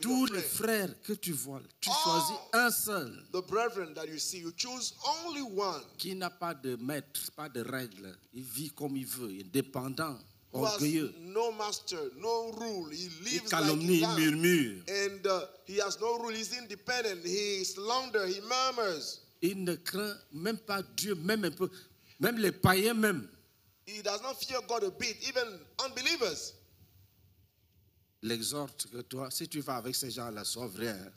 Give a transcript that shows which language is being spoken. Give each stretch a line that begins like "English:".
French: tous les frères que tu vois, tu choisis un seul.
English: The brethren that you see, you choose only one.
French: Qui n'a pas de maître, pas de règles. Il vit comme il veut, indépendant, orgueilleux.
English: No master, no rule. He lives
French: il calomnie,
English: like
French: il murmure.
English: And he has no rule. He's independent. He slander. He murmurs.
French: Il ne craint même pas Dieu, même un peu, même les païens même.
English: He does not fear God a bit, even unbelievers.
French: L'exhorte que toi, si tu vas avec ces gens-là, sois vrai.